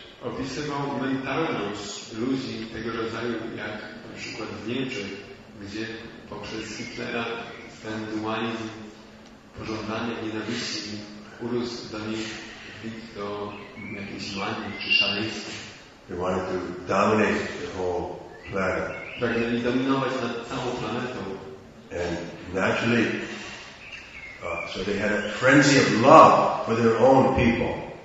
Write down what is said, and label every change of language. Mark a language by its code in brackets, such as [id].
[pl] Opisywał mentalność ludzi tego rodzaju, jak na przykład w Niemczech, gdzie poprzez Hitlera ten dualizm pożądania nienawiści urósł do nich, do jakiejś mani czy szaleństwa. [en] They wanted to dominate the whole planet. [pl] zaczęli dominować nad całą planetą. [en] And naturally, so they had a frenzy of love for their own people.